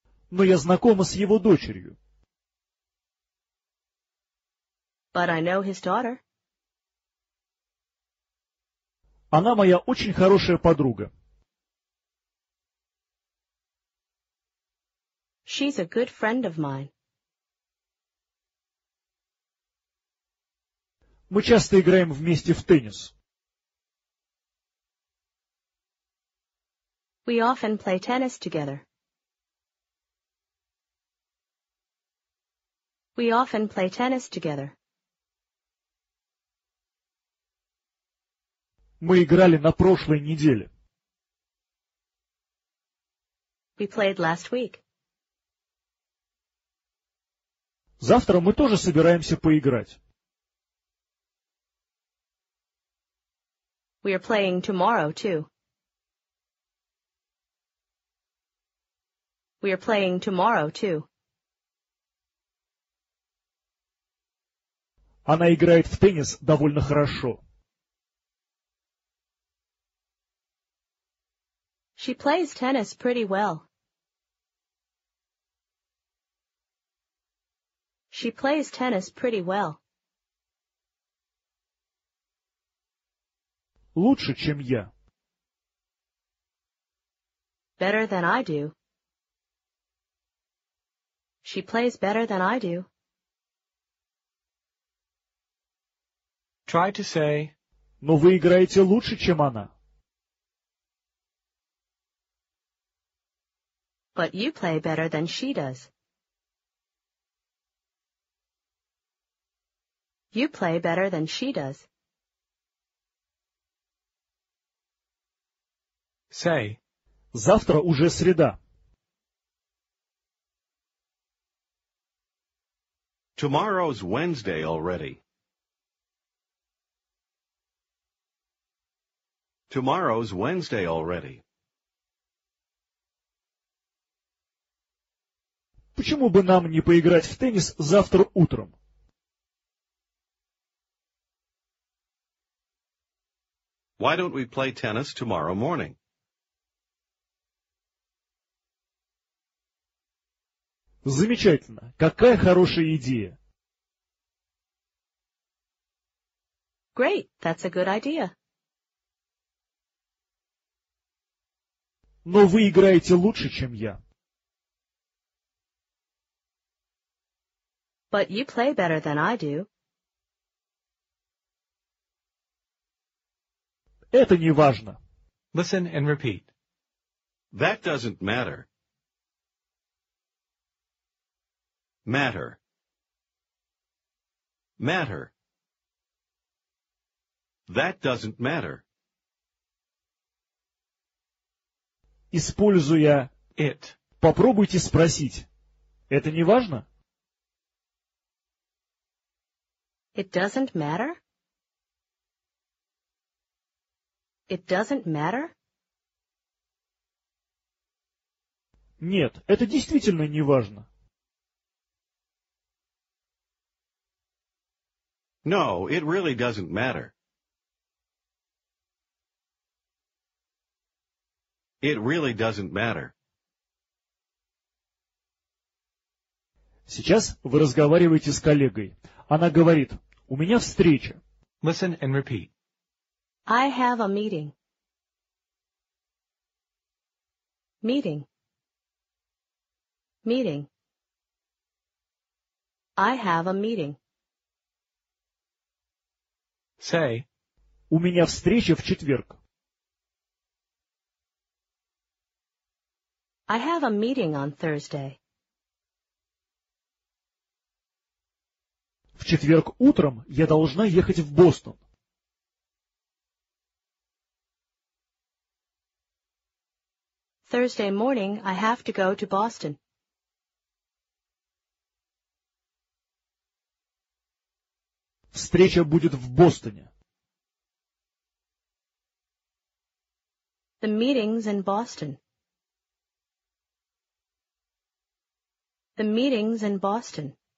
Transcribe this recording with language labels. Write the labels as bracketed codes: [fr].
[ru] Но я знакома с его дочерью. [en] But I know his daughter. [ru] Она моя очень хорошая подруга. [en] She's a good friend of mine. [ru] Мы часто играем вместе в теннис. [en] We often play tennis together. We often play tennis together. [ru] Мы играли на прошлой неделе. [en] We played last week. [ru] Завтра мы тоже собираемся поиграть. [en] We are playing tomorrow too. We are playing tomorrow too. [ru] Она играет в теннис довольно хорошо. [en] She plays tennis pretty well. She plays tennis pretty well. [ru] Лучше, чем я. [en] Better than I do. She plays better than I do. Try to say, [ru] Но вы играете лучше, чем она. [en] But you play better than she does. You play better than she does. Say, [ru] Завтра уже среда. [en] Tomorrow's Wednesday already. Tomorrow's Wednesday already. [ru] Почему бы нам не поиграть в теннис завтра утром? [en] Why don't we play tennis tomorrow morning? [ru] Замечательно. Какая хорошая идея. [en] Great, that's a good idea. [ru] Но вы играете лучше, чем я. [en] But you play better than I do. [ru] Это не важно. [en] Listen and repeat. That doesn't matter. Matter. Matter. That doesn't matter. [ru] Используя [en] it, [ru] попробуйте спросить. Это не важно? [en] It doesn't matter? It doesn't matter? [ru] Нет, это действительно не важно. [en] No, it really doesn't matter. It really doesn't matter. [ru] Сейчас вы разговариваете с коллегой. Она говорит, у меня встреча. [en] Listen and repeat. I have a meeting. Meeting. Meeting. I have a meeting. Say, [ru] у меня встреча в четверг. [en] I have a meeting on Thursday. [ru] В четверг утром я должна ехать в Бостон. [en] Thursday morning, I have to go to Boston. [ru] Встреча будет в Бостоне. [en] The meeting's in Boston. The meeting's in Boston.